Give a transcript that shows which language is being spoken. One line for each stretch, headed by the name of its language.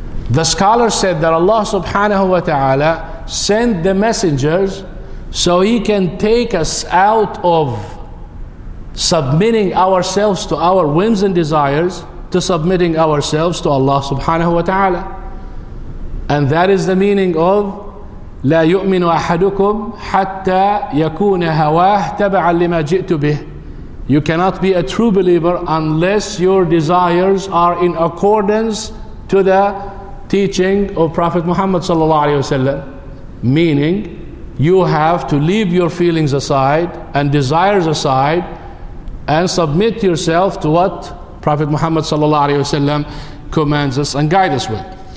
English: The scholar said that Allah subhanahu wa ta'ala sent the messengers so He can take us out of submitting ourselves to our whims and desires to submitting ourselves to Allah subhanahu wa ta'ala. And that is the meaning of
Arabic: لَا يُؤْمِنُ أَحَدُكُمْ حَتَّى يَكُونَ هَوَاهُ تَبَعًا لِمَا جِئْتُ بِهِ.
English: You cannot be a true believer unless your desires are in accordance to the teaching of Prophet Muhammad sallallahu alaihi wasallam. Meaning, you have to leave your feelings aside and desires aside and submit yourself to what Prophet Muhammad sallallahu alaihi wasallam commands us and guides us with.